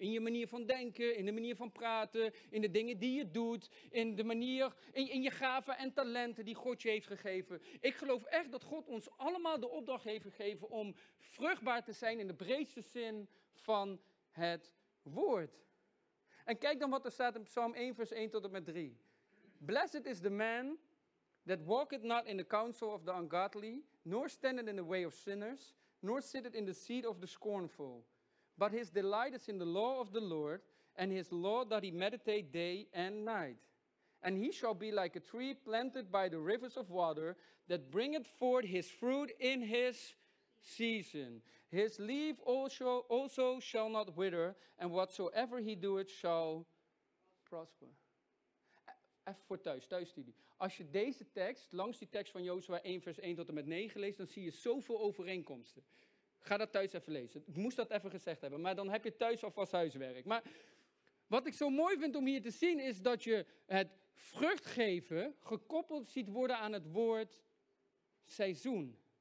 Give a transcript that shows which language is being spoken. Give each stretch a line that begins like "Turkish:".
Dutch: In je manier van denken, in de manier van praten, in de dingen die je doet, in de manier, in je gaven en talenten die God je heeft gegeven. Ik geloof echt dat God ons allemaal de opdracht heeft gegeven om vruchtbaar te zijn in de breedste zin van het woord. En kijk dan wat er staat in Psalm 1 vers 1 tot en met 3.
English: Blessed is the man that walketh not in the counsel of the ungodly, nor standeth in the way of sinners, nor sitteth in the seat of the scornful. But his delight is in the law of the Lord, and his law doth he meditate day and night. And he shall be like a tree planted by the rivers of water, that bringeth forth his fruit in his season. His leaf also shall not wither, and whatsoever he doeth shall prosper.
Dutch: Even voor thuisstudie. Als je deze tekst, langs die tekst van Jozua 1 vers 1 tot en met 9 leest, dan zie je zoveel overeenkomsten. Ga dat thuis even lezen. Ik moest dat even gezegd hebben, maar dan heb je thuis alvast huiswerk. Maar wat ik zo mooi vind om hier te zien, is dat je het vruchtgeven gekoppeld ziet worden aan het woord seizoen.